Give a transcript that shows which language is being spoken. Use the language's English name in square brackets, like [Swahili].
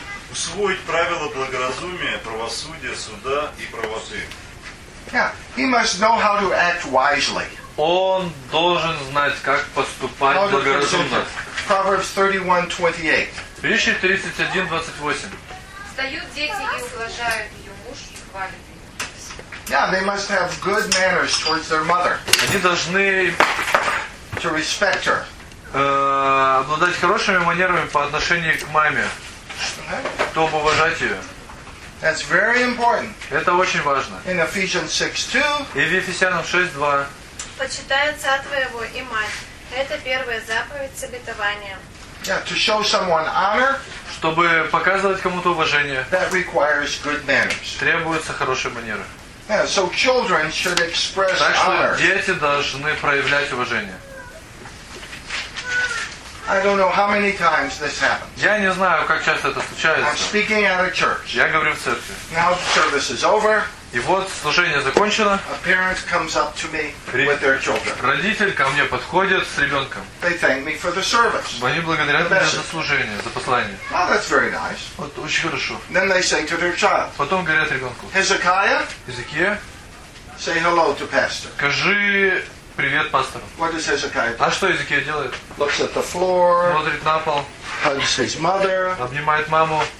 [Russian] Усвоить правила благоразумия, правосудия, суда и правоты. [English] Yeah, he must know how to act wisely. [Russian] Он должен знать, как поступать благоразумно. [English] Proverbs 31:28. [Russian] Притчи 31:28. Встают дети и ублажают ее муж и хвалят ее. [English] Yeah, they must have good manners towards their mother. [Russian] Они должны [English] to respect her. [Russian] Обладать хорошими манерами по отношению к маме, чтобы уважать ее. [English] That's very important. [Russian] Это очень важно. [English] In Ephesians 6:2. [Russian] И в Ефесянам 6:2. Почитай отца твоего и мать. Это первая заповедь с обетованием. [English] Yeah, to show someone honor. [Russian] Чтобы показывать кому-то уважение. [English] That requires good manners. [Russian] Требуются хорошие манеры. [English] Yeah, so children should express honor. [Russian] Так что дети должны проявлять уважение. [English] I don't know how many times this happens. [Russian] Я не знаю, как часто это случается. [English] I'm speaking at a church. [Russian] Я говорю в церкви. [English] Now the service is over. [Russian] И вот служение закончено. [English] A parent comes up to me with their children. [Russian] Родитель ко мне подходит с ребенком. [English] They thank me for the service. [Russian] Они благодарят меня за служение, за послание. [English] Oh, that's very nice. [Russian] Вот очень хорошо. [English] Then they say to their child. [Russian] Потом говорят ребенку. [English] Hezekiah. [Russian] Иезекия. [English] Say hello to pastor. [Russian] Скажи привет пастору. [English] What does Hezekiah do? [Russian] А что Иезекия делает? [English] Looks at the floor. [Russian] Смотрит на пол. [English] Hugs his mother. [Russian] Обнимает маму.